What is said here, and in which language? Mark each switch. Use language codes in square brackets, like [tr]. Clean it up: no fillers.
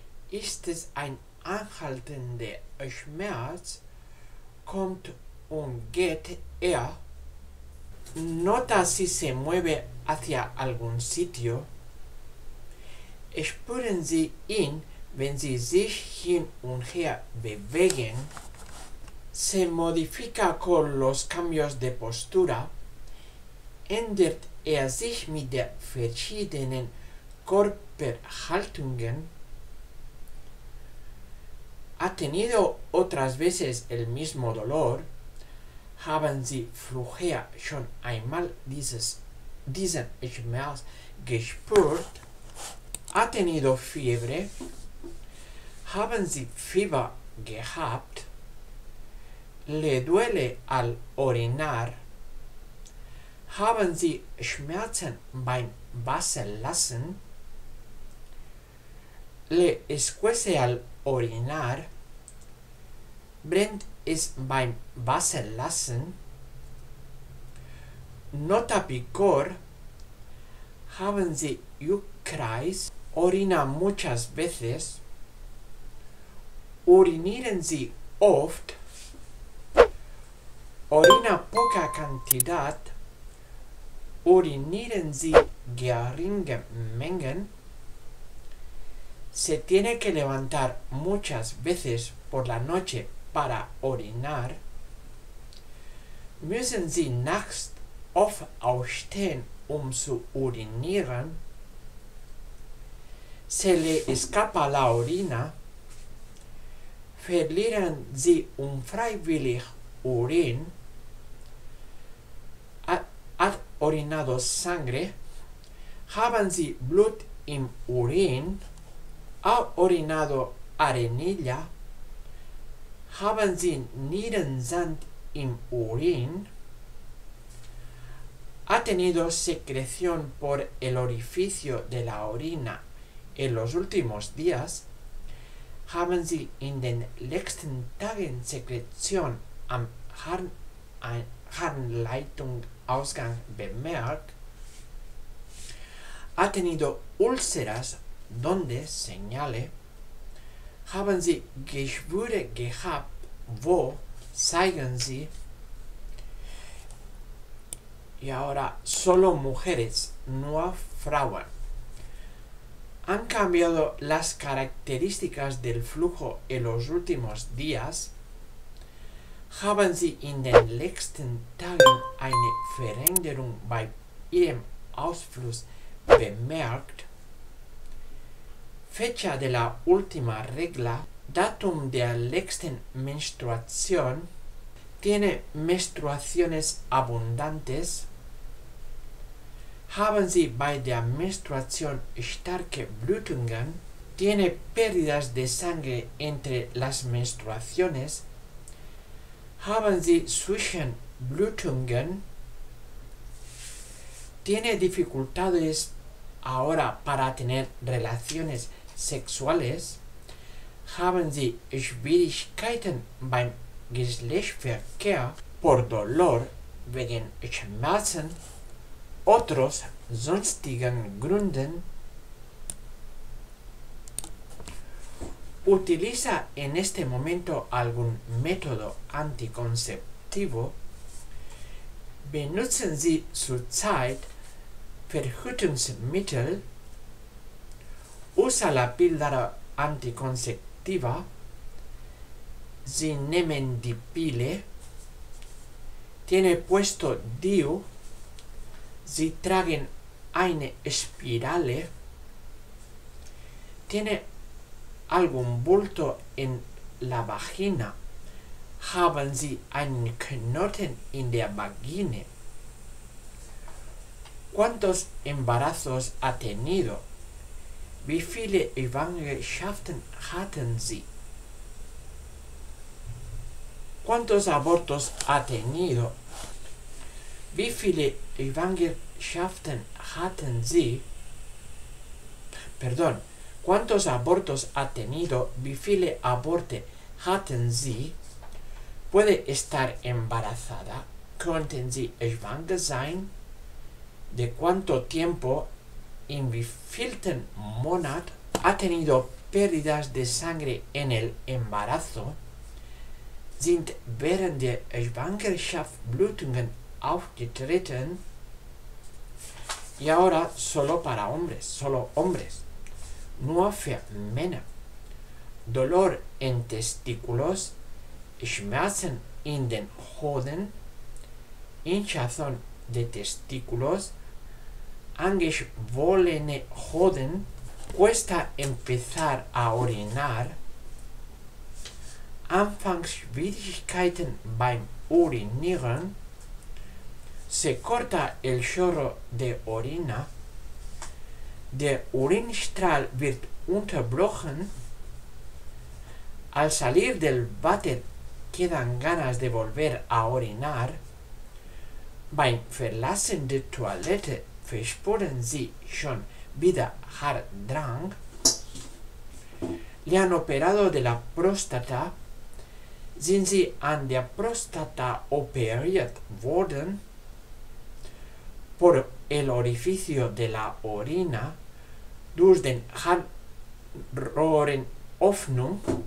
[de] Ist es ein anhaltender Schmerz? Kommt und geht er. [es] ¿Nota si se mueve hacia algún sitio? [de] Spüren Sie ihn, wenn Sie sich hin und her bewegen. [es] ¿Se modifica con los cambios de postura? [de] Ändert er sich mit den verschiedenen Körperhaltungen? [es] ¿Ha tenido otras veces el mismo dolor? [de] Haben Sie früher schon einmal diesen Schmerz gespürt? [es] ¿Ha tenido fiebre? [de] Haben Sie Fieber gehabt? [es] ¿Le duele al orinar? [de] Haben Sie Schmerzen beim Wasserlassen? [es] ¿Le escuece al orinar? [de] Brennt es beim Wasserlassen? [es] Nota picor. [de] Haben Sie Juckreiz? [es] Orina muchas veces. [de] Urinieren Sie oft? [es] Orina poca cantidad. [de] Urinieren Sie geringe Mengen? [es] Se tiene que levantar muchas veces por la noche para orinar. [de] Müssen Sie nachts oft aufstehen, zu urinieren? [es] Se le escapa la orina. [de] Verlieren Sie unfreiwillig Urin? [es] Hat orinado sangre? [de] Haben Sie Blut im Urin? [es] Ha orinado arenilla? [de] Haben Sie Nierensand im Urin? [es] ¿Ha tenido secreción por el orificio de la orina en los últimos días? [de] Haben Sie in den letzten Tagen Sekretion am Harnleitungsausgang bemerkt? [es] ¿Ha tenido úlceras? ¿Dónde? Señale. [de] Haben Sie Geschwüre gehabt? Wo? Zeigen Sie. [es] Y ahora solo mujeres, no Frauen. ¿Han cambiado las características del flujo en los últimos días? [de] Haben Sie in den letzten Tagen eine Veränderung bei Ihrem Ausfluss bemerkt? [es] Fecha de la última regla. [de] Datum der letzten Menstruation. [es] ¿Tiene menstruaciones abundantes? [de] Haben Sie bei der Menstruation starke Blutungen? [es] ¿Tiene pérdidas de sangre entre las menstruaciones? [de] Haben Sie Zwischenblutungen? [es] ¿Tiene dificultades ahora para tener relaciones sexuales? [de] Haben Sie Schwierigkeiten beim Geschlechtsverkehr? [es] Por dolor, [de] wegen Schmerzen, [es] otros [de] sonstigen Gründen [es] utiliza en este momento algún método anticonceptivo, [de] benutzen Sie zurzeit Verhütungsmittel, [es] usa la píldora anticonceptiva, [de] Sie nehmen die Pille, [es] tiene puesto DIU, [de] Sie tragen eine Spirale, [es] tiene algún bulto en la vagina, [de] haben Sie einen Knoten in der Vagina. [es] ¿Cuántos embarazos ha tenido? [de] Wie viele Schwangerschaften hatten Sie? [es] ¿Cuántos abortos ha tenido? [de] Wie viele Schwangerschaften hatten Sie? [es] Perdón, ¿cuántos abortos ha tenido? [de] Wie viele Aborte hatten Sie? [es] ¿Puede estar embarazada? [de] Könnten Sie schwanger sein? [es] ¿De cuánto tiempo, [de] in wie vielen Monat, [es] ha tenido pérdidas de sangre en el embarazo? [de] ¿Sind während der Schwangerschaft Blutungen aufgetreten? [es] Y ahora solo para hombres, solo hombres. [de] Nur für Männer. [es] ¿Dolor en testículos? [de] ¿Schmerzen in den Hoden? [es] ¿Hinchazón de testículos? [de] Angeschwollene Hoden, [es] cuesta empezar a orinar, [de] Anfangsschwierigkeiten beim Urinieren, [es] se corta el chorro de orina, [de] der Urinstrahl wird unterbrochen, [es] al salir del váter quedan ganas de volver a orinar, [de] beim Verlassen der Toilette verspüren Sie schon wieder Harddrang? [es] Le han operado de la próstata. [de] Sind Sie an der Prostata operiert worden? [es] Por el orificio de la orina. [de] Durch den Harnröhrenöffnung.